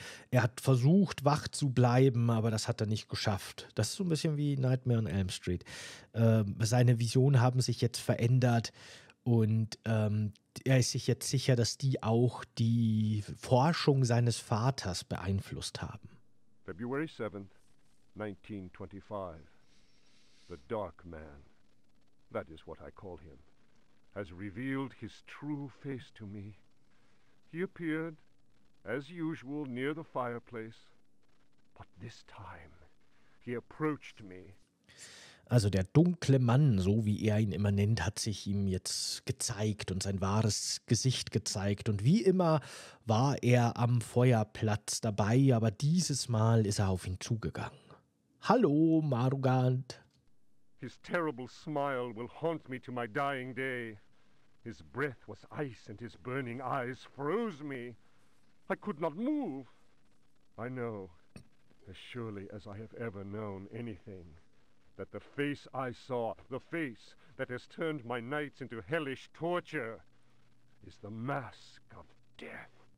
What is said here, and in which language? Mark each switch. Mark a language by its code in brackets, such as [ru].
[de] Er hat versucht, wach zu bleiben, aber das hat er nicht geschafft. Das ist so ein bisschen wie Nightmare on Elm Street. Seine Visionen haben sich jetzt verändert, und er ist sich jetzt sicher, dass die auch die Forschung seines Vaters beeinflusst haben. [en] February 7th, 1925. The Dark Man, that is what I call him, has revealed his true face to me. He appeared, as usual, near the fireplace. But this time, he approached me. [de] Also der dunkle Mann, so wie er ihn immer nennt, hat sich ihm jetzt gezeigt und sein wahres Gesicht gezeigt. Und wie immer war er am Feuerplatz dabei, aber dieses Mal ist er auf ihn zugegangen. Hallo, Marugand. [en] His terrible smile will haunt me to my dying day. His breath was ice and his burning eyes froze me. I could not move. I know, as surely as I have ever known anything, that the face I saw, the face that has turned my nights into hellish torture, is the mask of death.